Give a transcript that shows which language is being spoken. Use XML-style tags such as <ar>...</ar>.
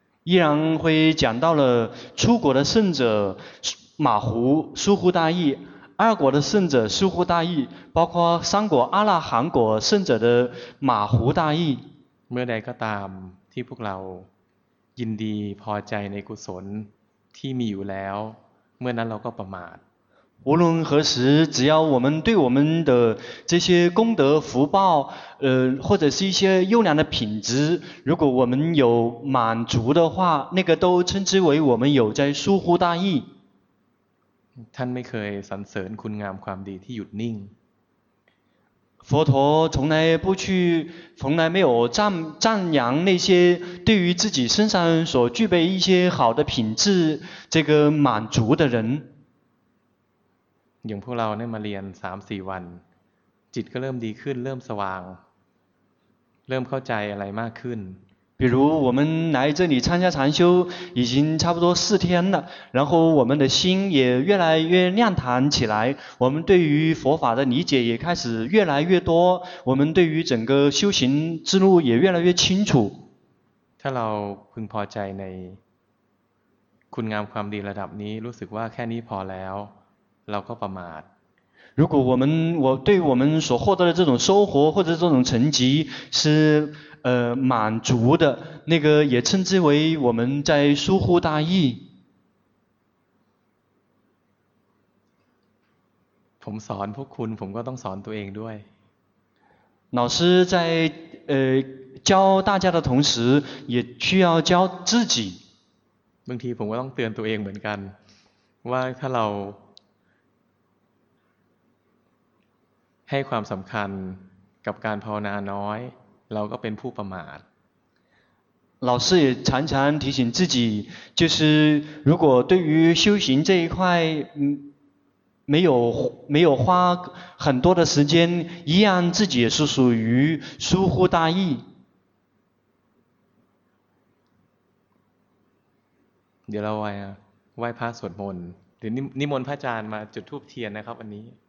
<zh>依然会讲到了出国的圣者马虎疏忽大意二国的圣者疏忽大意包括三国阿拉罕国圣者的马虎大意</zh> <th>เมื่อใดก็ตามที่พวกเรายินดีพอใจในกุศลที่มีอยู่แล้วเมื่อนั้นเราก็ประมาท</th> <zh>无论何时只要我们对我们的这些功德福报或者是一些优良的品质如果我们有满足的话那个都称之为我们有在疏忽大意</zh> <th>ท่านไม่เคยสรรเสริญคุณงามความดีที่หยุดนิ่ง</th> <zh>佛陀从来不去从来没有赞扬那些对于自己身上所具备一些好的品质这个满足的人</zh> <th>อย่างพวกเราเนี่ยมาเรียน 3-4 วันจิตก็เริ่มดีขึ้นเริ่มสว่างเริ่มเข้าใจอะไรมากขึ้น</th> <zh>比如我们来这里参加禅修已经差不多四天了然后我们的心也越来越亮堂起来我们对于佛法的理解也开始越来越多我们对于整个修行之路也越来越清楚</zh> <th>ถ้าเราพึงพอใจในคุณงามความดีระดับนี้รู้สึกว่าแค่นี้พอแล้วเราก็ประมาท</th> <zh>如果我对我们所获得的这种收获或者这种成绩是满足的那个也称之为我们在疏忽大意</zh> <th>ผมสอนพวกคุณผมก็ต้องสอนตัวเองด้วย</th> <zh>老师在教大家的同时也需要教自己</zh> <th>บางทีผมก็ต้องเตือนตัวเองเหมือนกันว่าถ้าเราให้ความสำคัญกับการภาวนาน้อยเราก็เป็นผู้ประมาท</th> <zh>老师也常常提醒自己就是如果对于修行这一块没有花很多的时间一样自己也是属于疏忽大意</zh> <th>เดี๋ยวเราไหว้พระสวดมนต์หรือนิมนต์พระอาจารย์มาจุดธูปเทียนนะครับวันนี้</th>